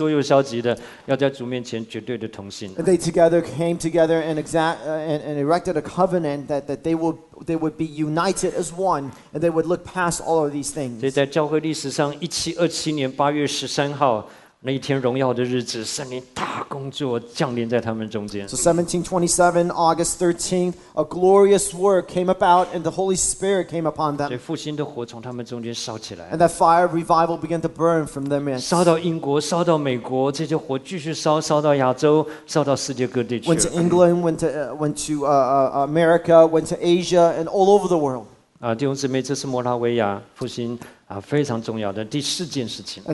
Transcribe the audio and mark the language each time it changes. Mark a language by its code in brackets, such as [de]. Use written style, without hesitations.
[zh] 后来跟众人立约，一起高举基督，然后除去所有消极的，要在主面前绝对的同心。And [en] they together came together and erected a covenant that they would be united as one, and they would look past all of these things. [zh] 所以在教会历史上，1727年8月13号。那一天荣耀的日子，圣灵大工作降临在他们中间。 [en] So 1727, August 13th, a glorious work came about and the Holy Spirit came upon them. [zh] 所以复兴的火从他们中间烧起来。 [en] And that fire revival began to burn from their midst. [zh] 烧到英国，烧到美国，这些火继续烧，烧到亚洲，烧到世界各地去。 [en] Went to England, went to America, went to Asia, and all over the world. [zh] 弟兄姊妹，这是摩拉维亚复兴。非常重要的第四件事情。And